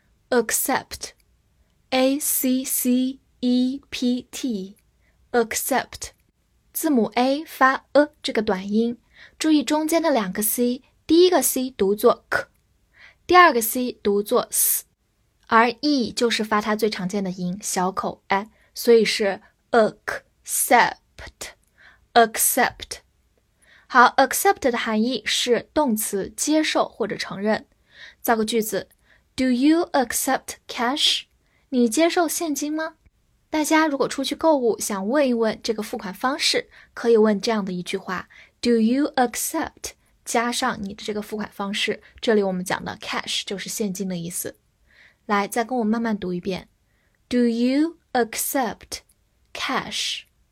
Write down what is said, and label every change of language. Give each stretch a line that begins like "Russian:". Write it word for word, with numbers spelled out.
Chinese: Accept, A C C E P T, Accept 字母 A 发 A 这个短音，注意中间的两个 C， 第一个 C 读作 K，第二个 C 读作 S， 而 E 就是发它最常见的音小口 I， 所以是 accept accept。好， accept 的含义是动词接受或者承认。造个句子
English: Do you accept cash？
Chinese: 你接受现金吗？大家如果出去购物想问一问这个付款方式，可以问这样的一句话
English: Do you accept？
Chinese: 加上你的这个付款方式，这里我们讲的 cash 就是现金的意思。来，再跟我慢慢读一遍
English: Do you accept cash?